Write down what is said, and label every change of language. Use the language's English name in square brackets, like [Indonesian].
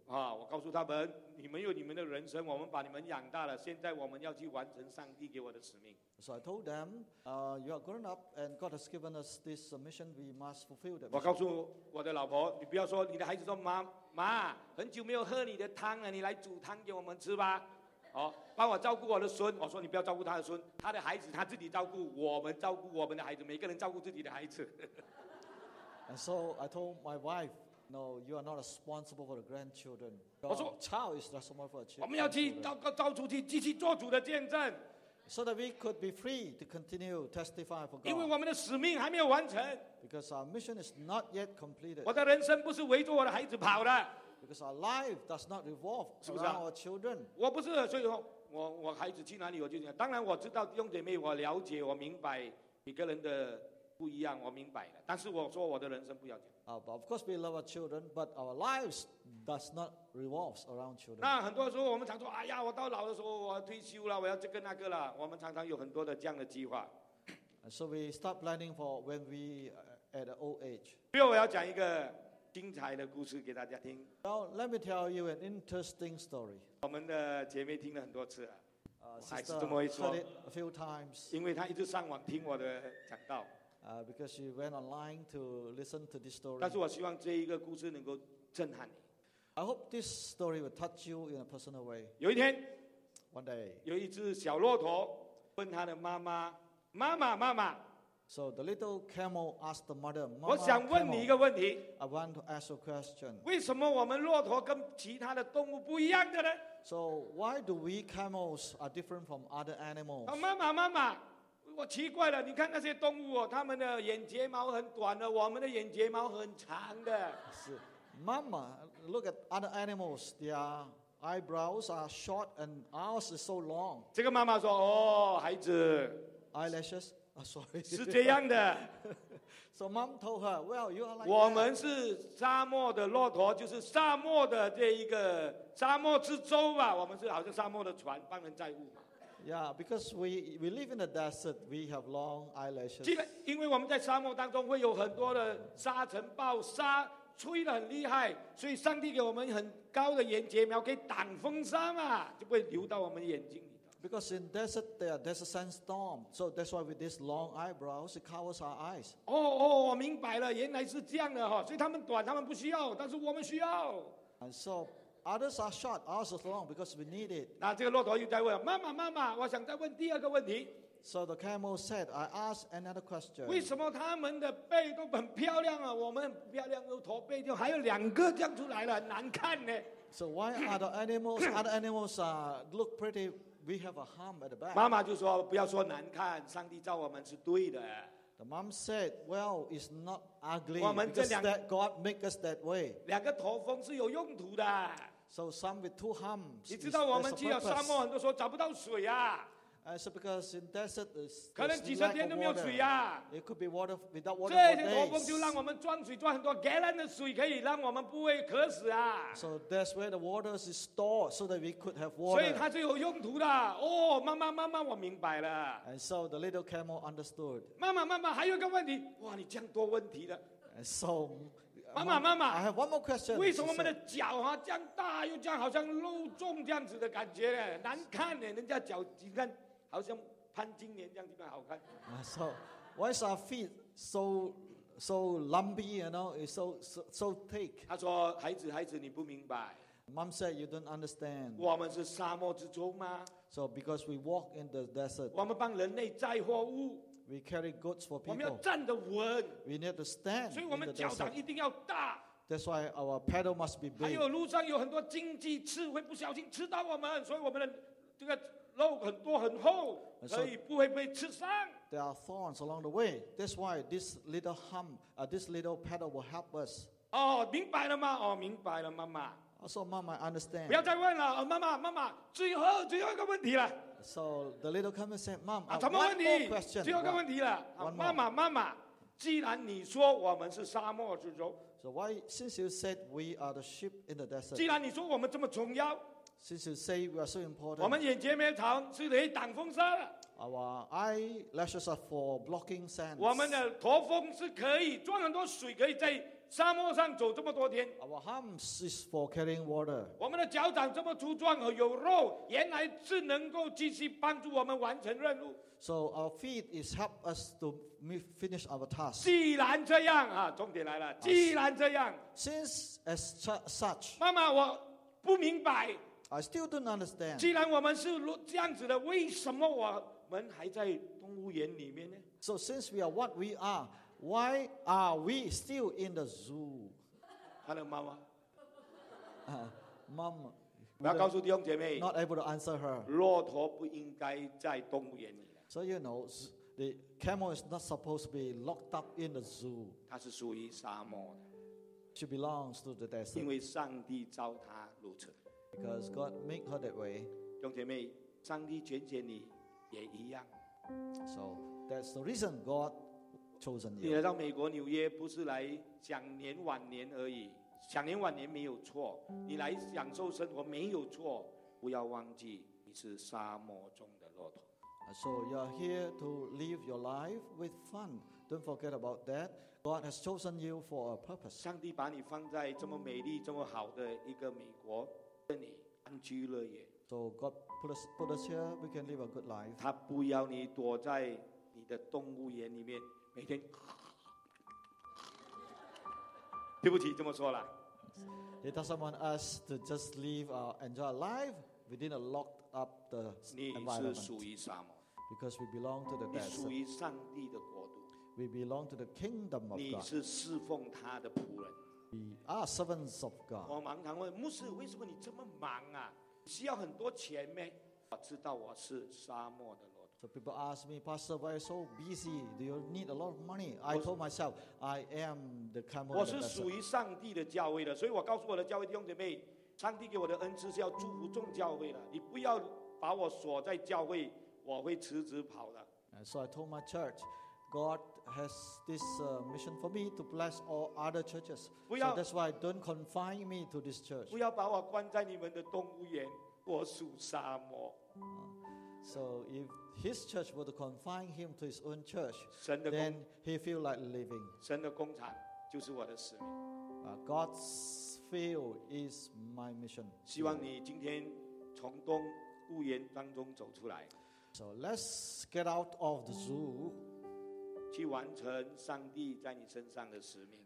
[Chinese] 我告诉他们，你们有你们的人生，我们把你们养大了，现在我们要去完成上帝给我的使命。 [English] So I told them, you are grown up and God has given us this mission, we must fulfill that. [Chinese] 我告诉我的老婆，你不要说，你的孩子说，妈，很久没有喝你的汤了，你来煮汤给我们吃吧。帮我照顾我的孙。我说你不要照顾他的孙，他的孩子他自己照顾，我们照顾我们的孩子，每个人照顾自己的孩子。 [English] And so I told my wife, no, you are not responsible for the grandchildren. Your child is responsible for the children. [Chinese] 我们要去到处去继续做主的见证。 [English] So that we could be free to continue testify for God. [Chinese] 因为我们的使命还没有完成。 [English] Because our mission is not yet completed. [Chinese] 我的人生不是围着我的孩子跑的。 [English] Because our life does not revolve around our children. [Chinese] 我不是，所以说我孩子去哪里我就讲。当然我知道弟兄姐妹，我了解，我明白每个人的不一样，我明白了。但是我说我的人生不要紧。 [English] But of course we love our children, but our lives does not revolve around children. [Chinese] 那很多时候我们常说，哎呀，我到老的时候我退休了，我要这个那个了。我们常常有很多的这样的计划。 [English] So we start planning for when we are at an old age. [Chinese] 最后我要讲一个精彩的故事给大家听。 [English] Now, let me tell you an interesting story. [Chinese] 我们的姐妹听了很多次了，还是这么一说。 [English] Heard it a few times. [Chinese] 因为她一直上网听我的讲道。 [English] Because she went online to listen to this story. [Chinese] 但是我希望这一个故事能够震撼你。 [English] I hope this story will touch you in a personal way. [Chinese] 有一天 [English] ，One day, [Chinese] 有一只小骆驼问他的妈妈：“妈妈，妈妈。” [English] So the little camel asked the mother, "Mama, [Chinese] 我想问你一个问题。 [English] I want to ask a question. [Chinese] 为什么我们骆驼跟其他的动物不一样的呢？ [English] So why do we camels are different from other animals? [Chinese] 妈妈，妈妈。我奇怪了，你看那些动物哦，他们的眼睫毛很短的，我们的眼睫毛很长的。是，妈妈 [English] ，look at other animals, their eyebrows are short and ours is so long. [Chinese] 这个妈妈说，哦，孩子 [English] ，eyelashes, sorry, [Chinese] 是这样的。 [English] So mom told her, well, you are like [Chinese] 我们是沙漠的骆驼，就是沙漠的这一个沙漠之舟吧，我们是好像沙漠的船，帮人载物。 [English] Yeah, because we live in the desert, we have long eyelashes. [Chinese] 因为我们在沙漠当中会有很多的沙尘暴，沙吹得很厉害，所以上帝给我们很高的眼睫毛，可以挡风沙嘛，就不会流到我们眼睛里头。 [English] Because in desert there, there's a sandstorm, so that's why with these long eyebrows, it covers our eyes. [Chinese] 我明白了，原来是这样的哈，所以他们短，他们不需要，但是我们需要。 [English] And so. Others are short, ours are long because we need it. [Chinese] 那这个骆驼又在问，妈妈，妈妈，我想再问第二个问题。 [English] So the camel said, I ask another question. [Chinese] 为什么他们的背都很漂亮啊？我们很漂亮，有驼背，就还有两个这样出来了，很难看呢。 [English] So why are the animals? Other animals look pretty. We have a hump at the back. [Chinese] 妈妈就说，不要说难看，上帝造我们是对的。 [English] The mom said, "Well, it's not ugly because that God make us that way." [Chinese] 两个驼峰是有用途的。 [English] So some with two humps. [Chinese] 你知道我们去了沙漠，很多时候找不到水啊。 [English] It's because in desert, [Chinese] 可能几十天都没有水啊。 [English] It could be water without water for days. [Chinese] 这些驼峰就让我们装水，装很多 gallon 的水，可以让我们不会渴死啊。 [English] So that's where the water is stored, so that we could have water. [Chinese] 所以它是有用途的。妈妈，妈妈，我明白了。 [English] And so the little camel understood. [Chinese] 妈妈，妈妈，还有一个问题。哇，你这样多问题了。 [English] And so. [Chinese] 妈妈，妈妈 [English] ，I have one more question. [Chinese] 为什么我们的脚啊这样大又这样，好像露重这样子的感觉呢？难看呢，人家脚你看，好像潘金莲这样子比较好看。 [English] So why is our feet so lumpy? You know, it's so thick. [Chinese] 他说：“孩子，孩子，你不明白。” [English] Mom said, "You don't understand." [Chinese] 我们是沙漠之中吗 [English] ？So because we walk in the desert. [Chinese] 我们帮人类载货物。 [English] We carry goods for people. [Chinese] 我们要站得稳。 [English] We need to stand. [Chinese] 所以我们脚掌一定要大。 [English] That's why our pedal must be big. [Chinese] 还有路上有很多荆棘刺会不小心刺到我们，所以我们的这个肉很多很厚，所以不会被刺伤。 [English] There are thorns along the way. That's why this little hump, this little pedal will help us. [Chinese] 哦，明白了吗？哦，明白了，妈妈。 [English] So, Mom, I understand. [Chinese] 不要再问了，妈妈，妈妈，最后一个问题了。 [English] So, the little comment said, Mom, I have one more question. [Chinese] 最后一个问题了，妈妈，妈妈，既然你说我们是沙漠之舟 [English] ，So why, since you said we are the sheep in the desert? [Chinese] 既然你说我们这么重要 [English] ，Since you say we are so important, [Chinese] 我们眼睫毛长是可以挡风沙的。 [English] Our eyelashes are for blocking sand. [Chinese] 我们的驼峰是可以装很多水，可以在沙漠上走这么多天。 [English] Our humps is for carrying water. [Chinese] 我们的脚掌这么粗壮和有肉，原来是能够继续帮助我们完成任务。 [English] So our feet is help us to finish our task. [Chinese] 既然这样啊，重点来了。既然这样 [English] ，Since as such， [Chinese] 妈妈，我不明白。 [English] I still don't understand. [Chinese] 既然我们是这样子的，为什么我们还在动物园里面呢 [English] ？So since we are what we are。 Why are we still in the zoo? Hello, Mama. Mom, [Chinese] 我要告诉弟兄姐妹 [English] ，not able to answer her. [Chinese] 骆驼不应该在动物园里。 [English] So you know, the camel is not supposed to be locked up in the zoo. [Chinese] 它是属于沙漠的。 [English] She belongs to the desert. [Chinese] 因为上帝造她如此。 [English] Because God made her that way. [Chinese] 弟兄姐妹，上帝拣选你也一样。 [English] So that's the reason God. [Chinese] 你来到美国纽约不是来享年晚年而已，享年晚年没有错，你来享受生活没有错，不要忘记你是沙漠中的骆驼。 [English] So you are here to live your life with fun. Don't forget about that. God has chosen you for a purpose. [Chinese] 上帝把你放在这么美丽这么好的一个美国，这里安居乐业。 [English] So God put us here, we can live a good life. [Chinese] 他不要你躲在你的动物园里面每天，对不起，这么说了。 [English] He doesn't want us to just live or enjoy our life within a locked up the environment. [Chinese] 你是属于沙漠 [English] ，because we belong to the desert. [Chinese] 你属于上帝的国度 [English] ，we belong to the kingdom of God. [Chinese] 你是侍奉他的仆人 [English] ，we are servants of God. [Chinese] 我常常问牧师，为什么你这么忙啊？需要很多钱吗？我知道我是沙漠的。 [English] So people ask me, Pastor, why are you so busy? Do you need a lot of money? I told myself, I am the camel. [Chinese] 我是属于上帝的教会的，所以我告诉我的教会弟兄姐妹，上帝给我的恩赐是要祝福众教会的。你不要把我锁在教会，我会辞职跑的。 [English] So I told my church, God has this mission for me to bless all other churches. So that's why don't confine me to this church. [Chinese] 不要把我关在你们的动物园，我属沙漠。 [English] So if his church were to confine him to his own church, [Chinese] 神的工, [English] then he feel like living. [Chinese] 神的工厂就是我的使命。 [English] God's field is my mission. [Chinese] 希望你今天从动物园当中走出来。 [English] So let's get out of the zoo. [Chinese] 去完成上帝在你身上的使命。